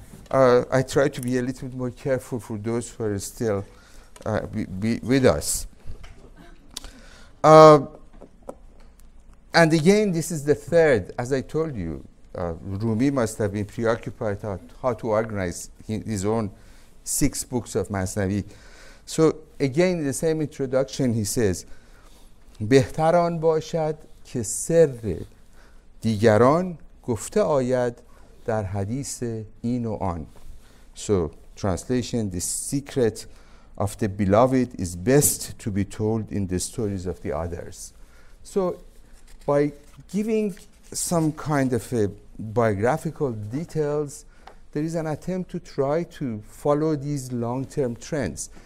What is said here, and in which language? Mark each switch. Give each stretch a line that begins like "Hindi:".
English: I try to be a little bit more careful for those who are still with us. And again, this is the third, as I told you, Rumi must have been preoccupied about how to organize his own six books of Masnavi. So again, in the same introduction, he says,
Persian: بهتر آن باشد که سر دیگران گفته آید در حدیث این و آن.
English: So translation, the secret of the beloved is best to be told in the stories of the others. So by giving some kind of a biographical details, there is an attempt to try to follow these long-term trends.